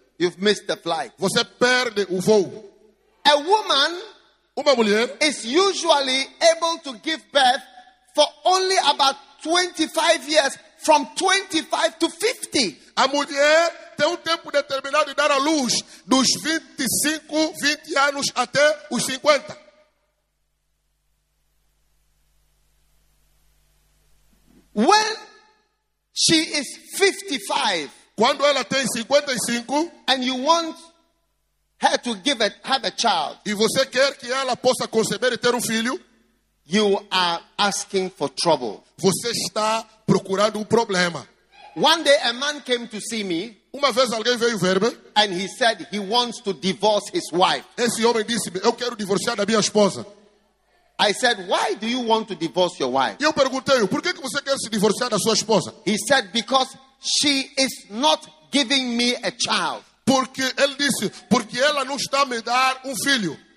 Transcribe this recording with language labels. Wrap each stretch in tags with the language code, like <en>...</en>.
<en>you've missed the flight.</en> <pt>Você perde o voo.</pt> <en>A woman,</en> <pt>uma mulher,</pt> <en>is usually able to give birth for only about 25 years, from 25 to 50.</en> <pt>A mulher tem tempo determinado de dar à luz dos 25, 20 anos até os 50.</pt> <en>When she is 55,</en> <pt>quando ela tem 55,</pt> <en>and you want her to give it, have a child,</en> <pt>e você quer que ela possa conceber e ter filho,</pt> <en>you are asking for trouble.</en> <pt>Você está procurando problema.</pt> <en>One day a man came to see me.</en> <pt>Uma vez alguém veio ver-me,</pt> <en>and he said he wants to divorce his wife.</en> <pt>Esse homem disse-me, eu quero divorciar da minha esposa.</pt> <en>I said, why do you want to divorce your wife?</en> <pt>Eu perguntei-o, por que você quer se divorciar da sua esposa?</pt> <en>He said, because she is not giving me a child.</en> <pt>Porque ele disse, porque ela não está me dar filho.</pt>